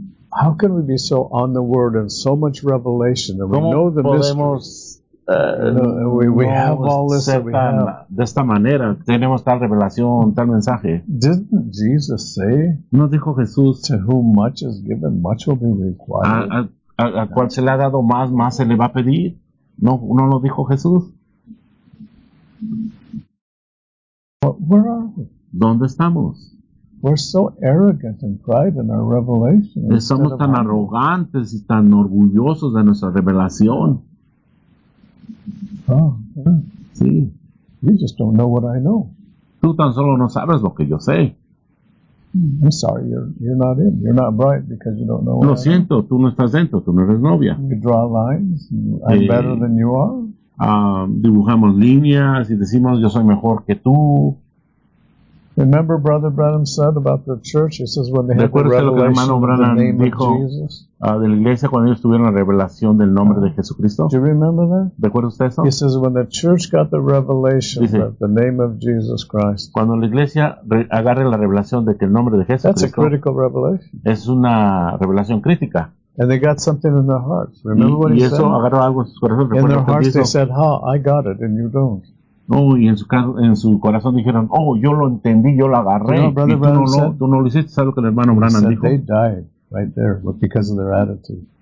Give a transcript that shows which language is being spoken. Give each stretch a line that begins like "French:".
English: How can we be so on the word and so much revelation that we know the
Spanish: podemos,
English: mysteries? We have all this that we have.
Spanish: De esta manera, tenemos tal revelación, tal mensaje.
English: Didn't Jesus say,
Spanish: ¿no dijo Jesús,
English: to whom much is given, much will be required?
Spanish: A cual se le ha dado más, más se le va a pedir. ¿No lo dijo Jesús?
English: But where are we?
Spanish: ¿Dónde estamos?
English: We're so arrogant and pride in our revelation.
Spanish: Somos tan arrogantes y tan orgullosos de nuestra revelación.
English: Oh, yeah.
Spanish: Sí.
English: You just don't know what I know.
Spanish: Tú tan solo no sabes lo que yo sé.
English: I'm sorry, you're not in. You're not bright because you don't know what
Spanish: lo siento, tú no estás dentro, tú no eres novia.
English: You draw lines. I'm better than you are.
Spanish: Dibujamos líneas y decimos yo soy mejor que tú.
English: Remember Brother Branham said about the church? He says when they had the revelation of the name
Spanish: dijo,
English: of Jesus.
Spanish: De la iglesia cuando ellos tuvieron la revelación del nombre de Jesucristo.
English: Do you remember that?
Spanish: ¿Recuerda usted eso?
English: He says when the church got the revelation of the name of Jesus Christ.
Spanish: Cuando la iglesia agarre la revelación de que el nombre de Jesucristo.
English: That's a critical revelation.
Spanish: Es una revelación crítica.
English: And they got something in their hearts. Remember what he
Spanish: eso
English: said?
Spanish: Agarró algo en sus corazones.
English: In their hearts they said, "Ha, I got it, and you don't."
Spanish: No, y en su corazón dijeron, oh, yo lo entendí, yo lo agarré.
English: No, brother,
Spanish: y tú no lo hiciste, ¿sabes lo que el hermano Branham dijo?
English: They died right there because of their attitude.